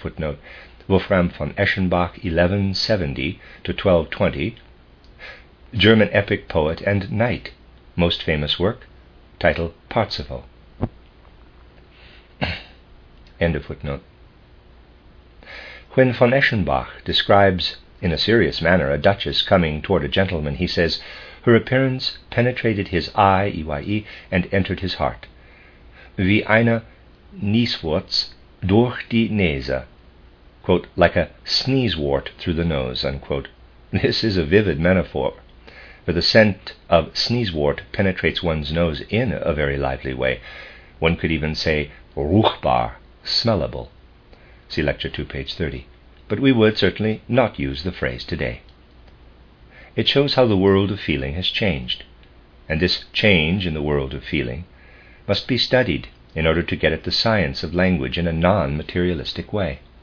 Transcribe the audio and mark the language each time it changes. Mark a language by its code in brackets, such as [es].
[en] Footnote, Wolfram von Eschenbach, 1170-1220, German epic poet and knight, most famous work, title Parzival. End of footnote. When von Eschenbach describes in a serious manner a duchess coming toward a gentleman, he says, her appearance penetrated his eye, EYE, and entered his heart. [de] Wie eine Nieswurz durch die Nase, [en] quote, like a sneezewort through the nose, unquote. This is a vivid metaphor, for the scent of sneezewort penetrates one's nose in a very lively way. One could even say ruchbar, smellable. See Lecture 2, page 30. But we would certainly not use the phrase today. It shows how the world of feeling has changed, and this change in the world of feeling must be studied in order to get at the science of language in a non-materialistic way.